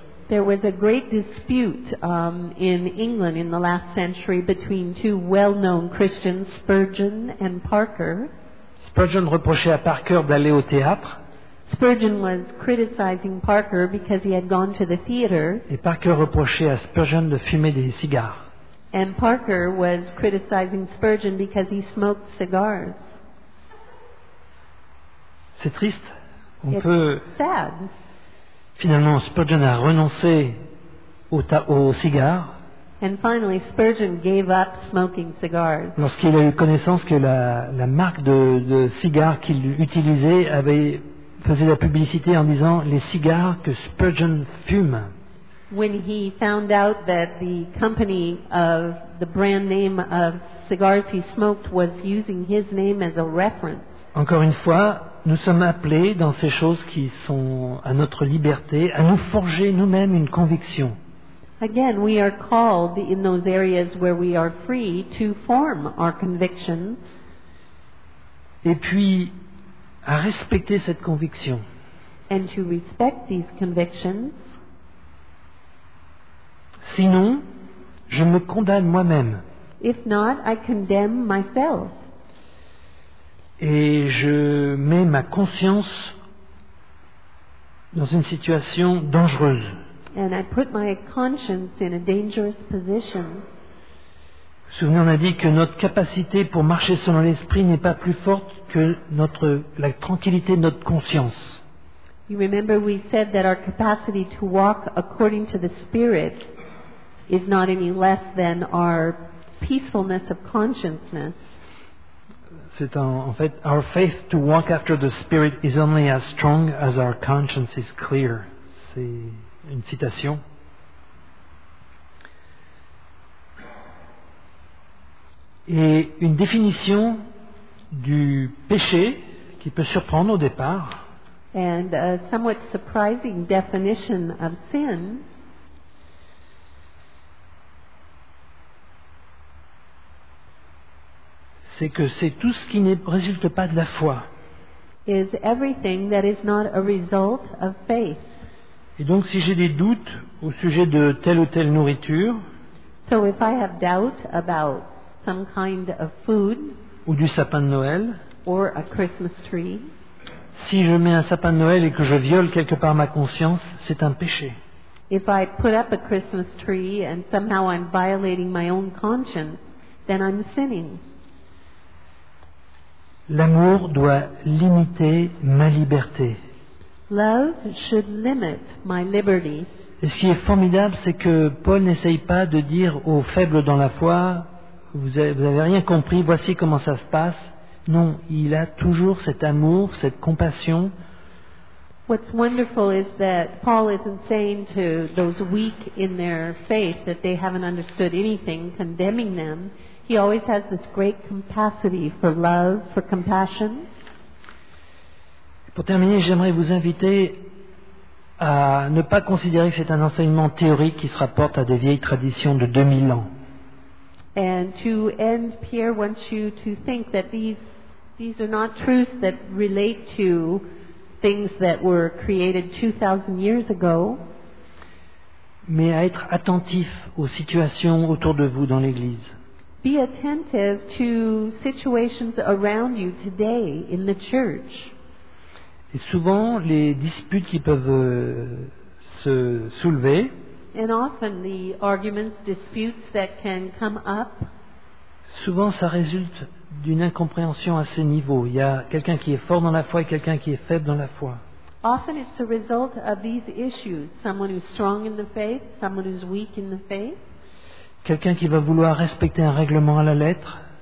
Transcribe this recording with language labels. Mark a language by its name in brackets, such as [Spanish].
[English] There was a great dispute in England in the last century between two well-known Christians, Spurgeon and Parker. [French] Spurgeon reprochait à Parker d'aller au théâtre. [English] Spurgeon was criticizing Parker because he had gone to the theater. [French] Et Parker reprochait à Spurgeon de fumer des cigares. [English] And Parker was criticizing Spurgeon because he smoked cigars. [French] C'est triste. [English] It's sad. [French] Finalement, Spurgeon a renoncé aux cigares. [English] And finally, Spurgeon gave up smoking cigars. [French] Lorsqu'il a eu connaissance que la marque de cigares qu'il utilisait faisait la publicité en disant les cigares que Spurgeon fume. [English] When he found out that the company of the brand name of cigars he smoked was using his name as a reference. [French] Encore une fois, nous sommes appelés dans ces choses qui sont à notre liberté à nous forger nous-mêmes une conviction. [English] Again, we are called in those areas where we are free to form our convictions. [French] Et puis à respecter cette conviction. [English] And to respect these convictions. [French] Sinon, je me condamne moi-même. [English] If not, I condemn myself. [French] Et je mets ma conscience dans une situation dangereuse. [English] And I put my conscience in a dangerous position. [French] Vous vous souvenez, on a dit que notre capacité pour marcher selon l'esprit n'est pas plus forte que la tranquillité de notre conscience. [English] You remember we said that our capacity to walk according to the Spirit is not any less than our peacefulness of consciousness. [French] C'est en fait, [English] our faith to walk after the Spirit is only as strong as our conscience is clear. [French] C'est une citation. Et une définition du péché qui peut surprendre au départ. [English] And a somewhat surprising definition of sin. [French] C'est que c'est tout ce qui ne résulte pas de la foi. [English] Is everything that is not a result of faith. [French] Et donc si j'ai des doutes au sujet de telle ou telle nourriture, [English] so if I have doubt about some kind of food, [French] ou du sapin de Noël, [English] or a Christmas tree, [French] si je mets un sapin de Noël et que je viole quelque part ma conscience, c'est un péché. [English] If I put up a Christmas tree and somehow I'm violating my own conscience, then I'm sinning. [French] L'amour doit limiter ma liberté. [English] Love should limit my liberty. [French] Et ce qui est formidable, c'est que Paul n'essaye pas de dire aux faibles dans la foi, vous avez rien compris, voici comment ça se passe. Non, il a toujours cet amour, cette compassion. [English] What's wonderful is that Paul isn't saying to those weak in their faith that they haven't understood anything, condemning them. He always has this great capacity for love, for compassion. [French] Pour terminer, j'aimerais vous inviter à ne pas considérer que c'est un enseignement théorique qui se rapporte à des vieilles traditions de 2000 ans. [English] And to end, Pierre wants you to think that these are not truths that relate to things that were created 2000 years ago. [French] Mais à être attentif aux situations autour de vous dans l'église. [English] Be attentive to situations around you today in the church. [French] Et souvent les disputes qui peuvent se soulever. [English] And often the arguments, disputes that can come up. [French] Souvent ça résulte d'une incompréhension à ces niveaux. Il y a quelqu'un qui est fort dans la foi et quelqu'un qui est faible dans la foi. [English] Often it's a result of these issues. Someone who's strong in the faith, someone who's weak in the faith. [French] Quelqu'un qui va vouloir respecter un règlement à la lettre.